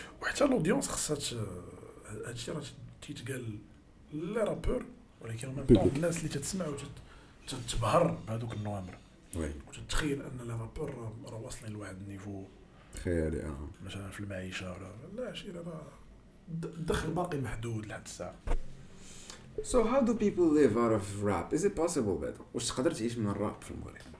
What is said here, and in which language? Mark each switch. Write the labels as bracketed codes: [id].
[ar] وحتى الاودينس خصها هادشي راه تيتقال لي رابور ولكن من طوب الناس اللي تتسمع وتتبهر بهذوك النوامر وتتخيل ان لي رابور راه واصلين لواحد النيفو خيالي مثلا في المعيشه ولا لا شي راه الدخل باقي محدود لحد الساعه [en] So how do people live out of rap? Is it possible [ar] بعدا؟ واش تقدر تعيش من الراب في المغرب؟